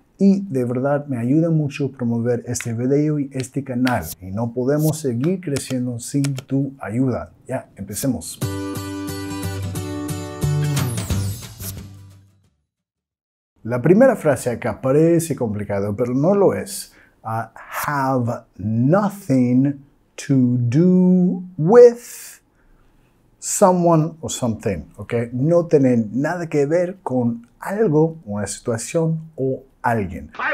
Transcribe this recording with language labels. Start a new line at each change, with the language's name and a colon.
Spanish: Y de verdad me ayuda mucho promover este video y este canal. Y no podemos seguir creciendo sin tu ayuda. Ya, empecemos. La primera frase acá parece complicado, pero no lo es.
English: Have nothing to do with someone or something. Okay?
Spanish: No tener nada que ver con algo, una situación o alguien.